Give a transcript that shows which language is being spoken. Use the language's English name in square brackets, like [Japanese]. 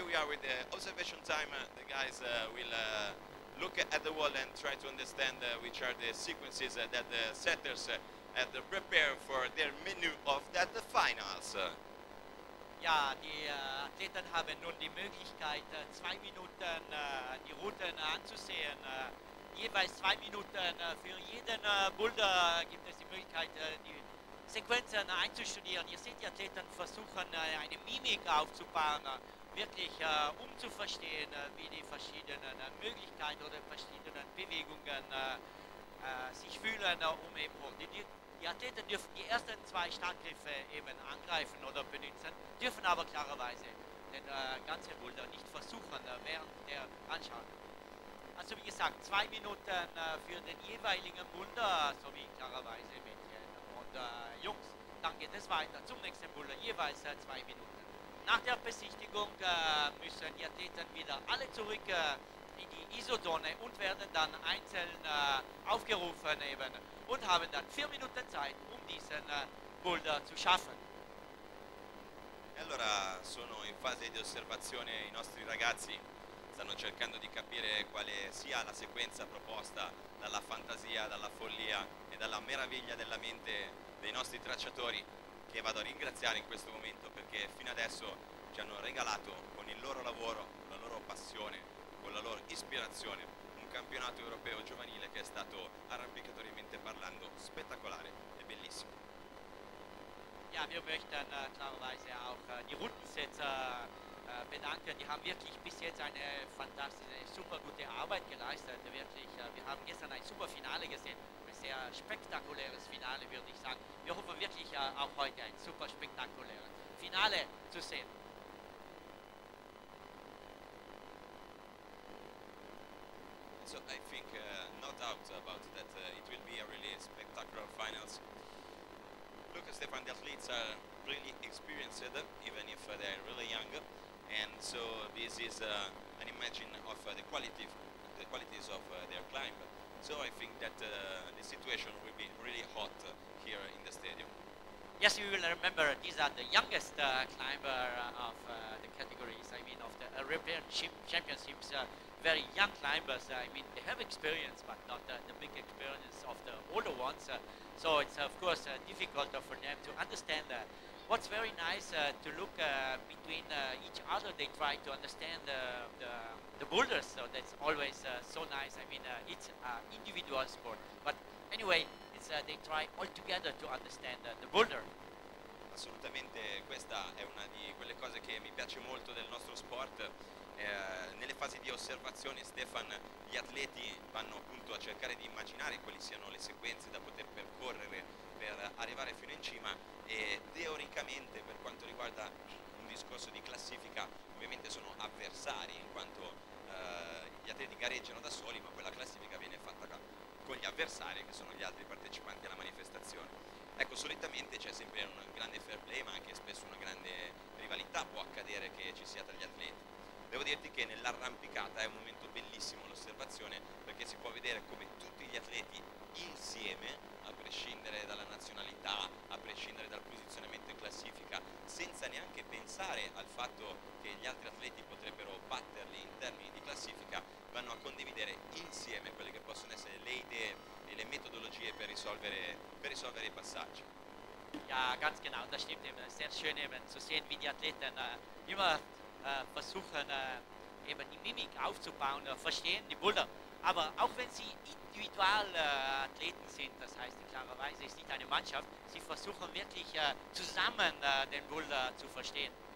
[English] With the observation time, the guys will look at the wall and try to understand which are the sequences that the setters have to prepare for their menu of that the finals. [German] Ja, die Athleten haben nun die Möglichkeit, 2 Minuten die Routen anzusehen. Jeweils 2 Minuten für jeden Boulder gibt es die Möglichkeit, die Sequenzen einzustudieren. Ihr seht, die Athleten versuchen, eine Mimik aufzubauen, wirklich um zu verstehen, wie die verschiedenen Möglichkeiten oder verschiedenen Bewegungen sich fühlen, um eben koordiniert. Die Athleten dürfen die ersten 2 Startgriffe eben angreifen oder benutzen, dürfen aber klarerweise den ganzen Boulder nicht versuchen während der Anschauung. Also wie gesagt, 2 Minuten für den jeweiligen Boulder, sowie klarerweise Mädchen und Jungs. Dann geht es weiter zum nächsten Boulder, jeweils 2 Minuten. Nach der Besichtigung müssen die Athleten wieder alle zurück in die ISO-Zone und werden dann einzeln aufgerufen eben und haben dann 4 Minuten Zeit, um diesen Boulder zu schaffen. [Italian] Allora, sono in fase di osservazione, i nostri ragazzi stanno cercando di capire quale sia la sequenza proposta dalla fantasia, dalla follia e dalla meraviglia della mente dei nostri tracciatori, che vado a ringraziare in questo momento perché fino adesso ci hanno regalato con il loro lavoro, con la loro passione, con la loro ispirazione, un campionato europeo giovanile che è stato, arrampicatoriamente parlando, spettacolare e bellissimo. [German] Ja, wir möchten klarerweise auch die Rundensetzer bedanken. Die haben wirklich bis jetzt eine fantastische, super gute Arbeit geleistet. Wirklich, wir haben gestern ein super Finale gesehen. Sehr spektakuläres Finale, würde ich sagen. Wir hoffen wirklich auch heute ein super spektakuläres Finale zu sehen. [English] So I think no doubt about that it will be a really spectacular finals. Look, Stefan, the athletes are really experienced, even if they're really young, and so this is an imagine of the qualities of their climb. So I think that the situation will be really hot here in the stadium. Yes, you will remember these are the youngest climbers of the categories, I mean of the European Championships, very young climbers. I mean they have experience but not the big experience of the older ones. So it's of course difficult for them to understand that. What's very nice to look between each other, they try to understand the boulders, so that's always so nice. I mean, it's an individual sport. But anyway, it as they try all together to understand the boulder. [Italian] Assolutamente, questa è una di quelle cose che mi piace molto del nostro sport. Nelle fasi di osservazione, Stefan, gli atleti vanno appunto a cercare di immaginare quali siano le sequenze da poter percorrere per arrivare fino in cima, e teoricamente, per quanto riguarda un discorso di classifica, ovviamente sono avversari, in quanto gli atleti gareggiano da soli, ma quella classifica viene fatta con gli avversari, che sono gli altri partecipanti alla manifestazione. Ecco, solitamente c'è sempre un grande fair play, ma anche spesso una grande rivalità può accadere che ci sia tra gli atleti. Devo dirti che nell'arrampicata è un momento bellissimo l'osservazione, perché si può vedere come tutti gli atleti insieme, a prescindere dalla nazionalità, a prescindere dal posizionamento in classifica, senza neanche pensare al fatto che gli altri atleti potrebbero batterli in termini di classifica, vanno a condividere insieme quelle che possono essere le idee e le metodologie per risolvere i passaggi. [German] Ja, ganz genau, das stimmt eben. Sehr schön eben zu sehen, wie die Athleten immer versuchen, eben die Mimik aufzubauen, verstehen die Boulder. Aber auch wenn sie individual Athleten sind, das heißt, klarerweise ist nicht eine Mannschaft, sie versuchen wirklich zusammen den Boulder zu verstehen.